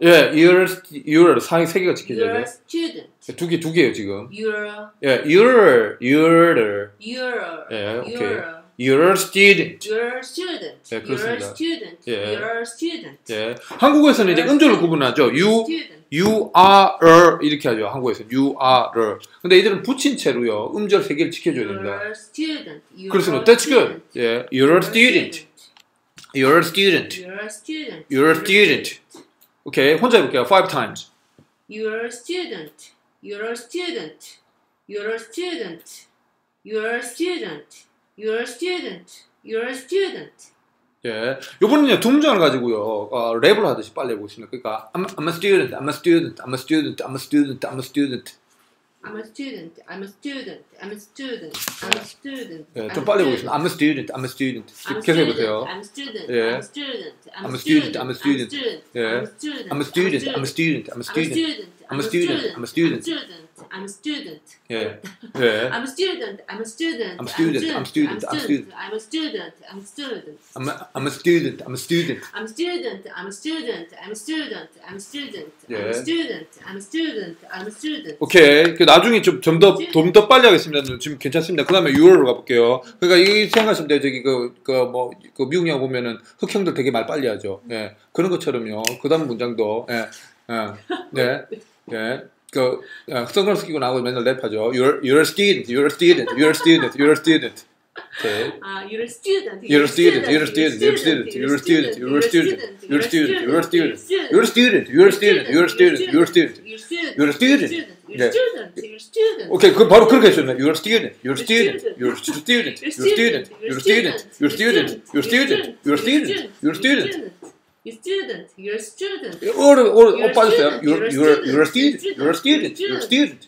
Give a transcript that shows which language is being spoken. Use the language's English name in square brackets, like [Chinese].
[Korean] 예, [English] your. Your. [Korean] 3, 3개가 지켜져야 돼. [English] Your student. [Korean] 두 개, 두 개예요, 지금. [English] Your. 예, your. Your. Your. 예, 오케이. Your student. Your student. [Korean] 예, 그렇습니다. [English] Your student. [Korean] 예. [English] Your student. [Korean] 예. 한국에서는 your 이제 음절을 구분하죠. [English] You. You are a [Korean] 이렇게 하죠. 한국에서 [English] You are a [Korean] 근데 이들은 붙인 채로요. 음절 세 개를 지켜줘야 됩니다. [English] You're a student. You're [Korean] 그렇습니다. [English] That's good. Yeah. You're a student. You're a student. You're a student. You're a student. You're a student. Okay. [Korean] 혼자 해볼게요. [English] Five times. You're a student. You're a student. You're a student. You're a student. You're a student. You're a student. [Korean] 예, 요번에는요 두 문장을 가지고요 랩을 하듯이 빨리 해보겠습니다. [English] 그러니까 I'm a student, I'm a student, I'm a student, I'm a student, I'm a student, I'm a student, I'm a student, I'm a student, I'm a student. [Korean] 예, 좀 빨리 해보겠습니다. [English] I'm a student, I'm a student. [Korean] 계속 해보세요. [English] I'm a student, I'm a student, I'm a student, I'm a student, I'm a student, I'm a student, I'm a student, I'm a student, I'm a student, I'm a student. [Korean] 예, [English] 예. I'm a student. I'm a student. I'm a student. I'm a student. I'm a student. I'm a student. I'm a student. I'm a student. I'm a student. I'm a student. I'm a student. I'm a student. I'm a student. I'm a student. I'm a student. I'm a student. 오케이. [Korean] 그 나중에 좀 더 빨리 하겠습니다. 지금 괜찮습니다. 그다음에 유어로 가볼게요. 그러니까 이 생각하시면 돼요. 저기 그 미국 영화 보면은 흑형들 되게 말 빨리 하죠. 예. 그런 것처럼요. 그다음 문장도 예. 예. 네. 예. 그 선글라스 끼고 나오고 맨날 랩하죠. [English] You're a student, you're a student, you're a student, you're a student. 아, you're a student. You're a student, you're a student, you're a student, you're a student, you're a student, you're a student, you're a student, you're a student, you're a student, you're a student, you're a student, you're a student. [Korean] 네. [English] Student. [Korean] 오케이, 그 바로 그렇게 했잖아요. [English] You're a student. You're a student. You're a student. You're a student. You're a student. You're a student. You're a student. You're a student. You're a student. You're a student. You're a student. [Korean] 어, 빠졌어요. [English] You're a student. You're a student. You're a student. You're a student.